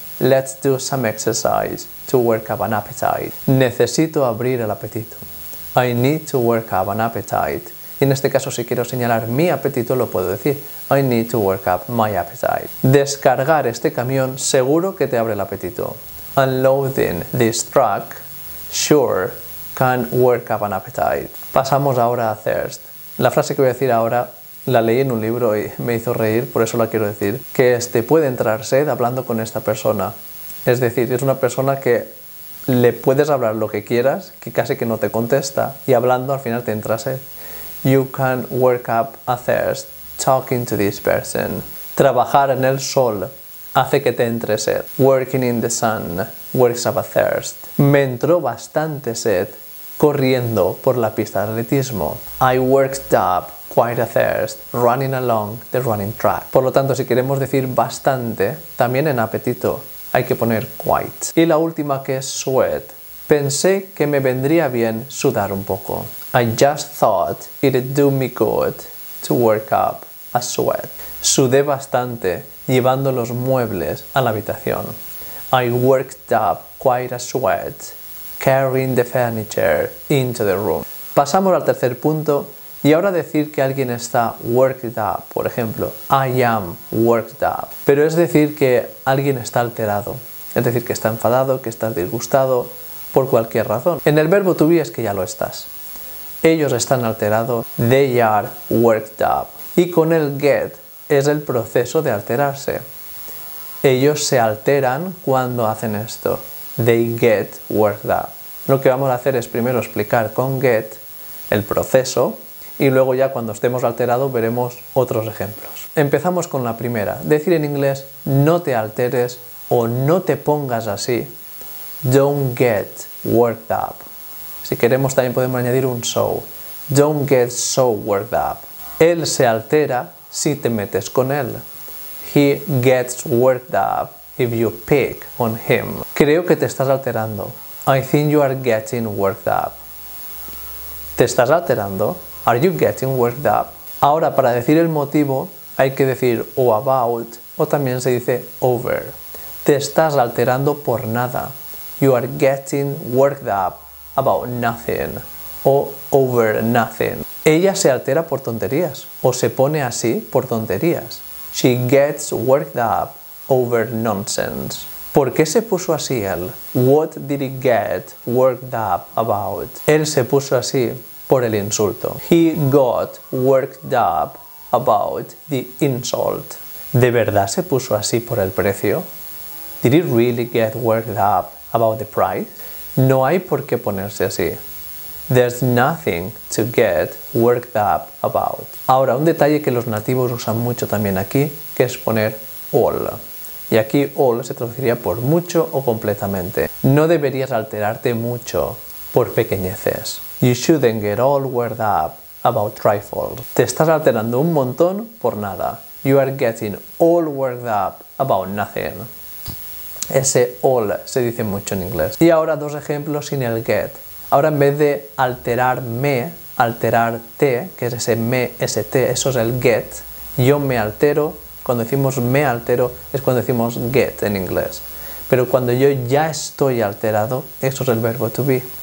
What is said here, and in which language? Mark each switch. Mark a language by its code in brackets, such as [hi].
[en] Let's do some exercise to work up an appetite. [es] Necesito abrir el apetito. [en] I need to work up an appetite. [es] Y en este caso, si quiero señalar mi apetito, lo puedo decir. [en] I need to work up my appetite. [es] Descargar este camión seguro que te abre el apetito. [en] Unloading this truck sure can work up an appetite. [es] Pasamos ahora a thirst. La frase que voy a decir ahora la leí en un libro y me hizo reír, por eso la quiero decir. Que este puede entrar sed hablando con esta persona. Es decir, es una persona que le puedes hablar lo que quieras, que casi que no te contesta, y hablando al final te entra sed. [en] You can work up a thirst talking to this person. [es] Trabajar en el sol hace que te entre sed. [en] Working in the sun works up a thirst. [es] Me entró bastante sed corriendo por la pista de atletismo. [en] I worked up quite a thirst running along the running track. [es] Por lo tanto, si queremos decir bastante, también en apetito, hay que poner quite. Y la última, que es sweat. Pensé que me vendría bien sudar un poco. [en] I just thought it'd do me good to work up a sweat. [es] Sudé bastante llevando los muebles a la habitación. [en] I worked up quite a sweat carrying the furniture into the room. [es] Pasamos al tercer punto Y ahora decir que alguien está worked up, por ejemplo, [en] I am worked up. [es] Pero es decir que alguien está alterado. Es decir, que está enfadado, que está disgustado, por cualquier razón. En el verbo to be es que ya lo estás. Ellos están alterados. [en] They are worked up. [es] Y con el get es el proceso de alterarse. Ellos se alteran cuando hacen esto. [en] They get worked up. [es] Lo que vamos a hacer es primero explicar con get el proceso y luego ya cuando estemos alterados veremos otros ejemplos. Empezamos con la primera. Decir en inglés no te alteres o no te pongas así. [en] Don't get worked up. [es] Si queremos también podemos añadir un so. [en] Don't get so worked up. [es] Él se altera si te metes con él. [en] He gets worked up if you pick on him. [es] Creo que te estás alterando. [en] I think you are getting worked up. [es] ¿Te estás alterando? [en] Are you getting worked up? [es] Ahora, para decir el motivo, hay que decir o about o también se dice over. Te estás alterando por nada. [en] You are getting worked up about nothing o over nothing. [es] Ella se altera por tonterías o se pone así por tonterías. [en] She gets worked up over nonsense. [es] ¿Por qué se puso así él? [en] What did he get worked up about? [es] Él se puso así por el insulto. [en] He got worked up about the insult. [es] ¿De verdad se puso así por el precio? [en] Did he really get worked up about the price? [es] No hay por qué ponerse así. [en] There's nothing to get worked up about. [es] Ahora, un detalle que los nativos usan mucho también aquí, que es poner all. Y aquí all se traduciría por mucho o completamente. No deberías alterarte mucho por pequeñeces. [en] You shouldn't get all worked up about trifles. [es] Te estás alterando un montón por nada. [en] You are getting all worked up about nothing. [es] Ese all se dice mucho en inglés. Y ahora dos ejemplos sin el get. Ahora en vez de alterarme, alterarte, que es ese me, ese te, eso es el get. Yo me altero. Cuando decimos me altero es cuando decimos get en inglés. Pero cuando yo ya estoy alterado, eso es el verbo to be.